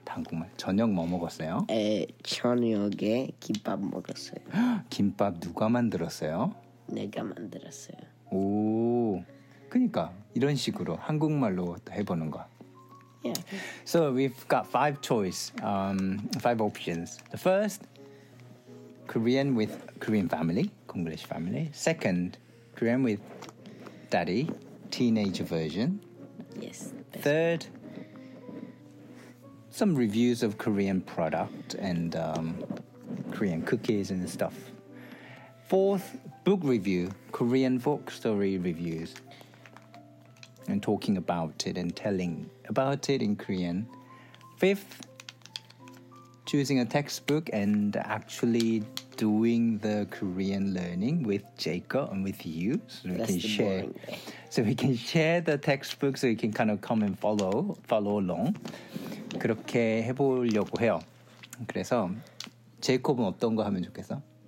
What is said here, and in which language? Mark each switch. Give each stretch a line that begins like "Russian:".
Korean: 다 한국말. 저녁 뭐 먹었어요? 저녁에 김밥 먹었어요. 김밥 누가 만들었어요? 내가 만들었어요. 오. 그러니까 이런 식으로 한국말로 해보는 거.
English: Yeah. So we've got five choice, five options. The first, Korean with Korean family, Konglish family. Second, Korean with daddy, teenager version. Yes. Third, some reviews of Korean product and Korean cookies and stuff. Fourth, book review, Korean folk story reviews. And talking about it and telling about it in Korean. Fifth, choosing a textbook and actually doing the Korean learning with Jacob and with you. So that's we can the share. Boring thing. So we can share the textbook so you can kind of come and follow along.
Korean: 그렇게 해보려고 해요. 그래서 제이콥은 어떤 거 하면 좋겠어?